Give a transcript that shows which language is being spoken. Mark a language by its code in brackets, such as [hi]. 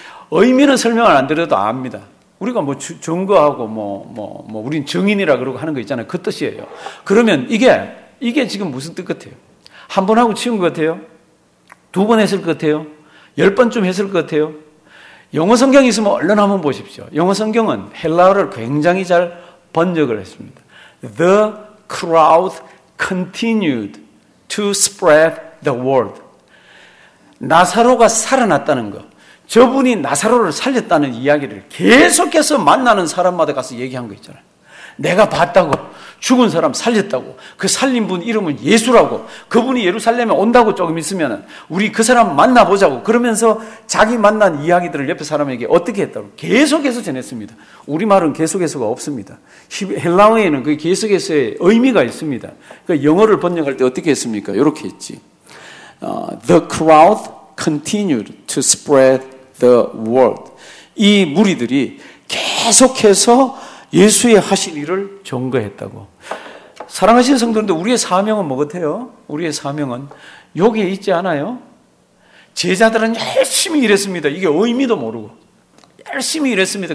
[ko] 의미는 설명을 안 드려도 압니다. 우리가 뭐 증거하고 뭐 우린 증인이라 그러고 하는 거 있잖아요. 그 뜻이에요. 그러면 이게 지금 무슨 뜻 같아요? 한 번 하고 치운 것 같아요? 두 번 했을 것 같아요? 열 번쯤 했을 것 같아요? 영어 성경이 있으면 얼른 한번 보십시오. 영어 성경은 헬라어를 굉장히 잘 번역을 했습니다. [en] The crowd continued to spread the word. [ko] 나사로가 살아났다는 것. 저분이 나사로를 살렸다는 이야기를 계속해서 만나는 사람마다 가서 얘기한 거 있잖아요. 내가 봤다고. 죽은 사람 살렸다고. 그 살린 분 이름은 예수라고. 그분이 예루살렘에 온다고 조금 있으면 우리 그 사람 만나보자고. 그러면서 자기 만난 이야기들을 옆에 사람에게 어떻게 했다고 계속해서 전했습니다. 우리말은 계속해서가 없습니다. 헬라어에는 그 계속해서의 의미가 있습니다. 그러니까 영어를 번역할 때 어떻게 했습니까? 이렇게 했지. [en] The crowd continued to spread the word. [ko] 이 무리들이 계속해서 예수의 하신 일을 증거했다고. 사랑하시는 성도인데 우리의 사명은 뭐 같아요? 우리의 사명은 여기에 있지 않아요? 제자들은 열심히 일했습니다. 이게 의미도 모르고 열심히 일했습니다.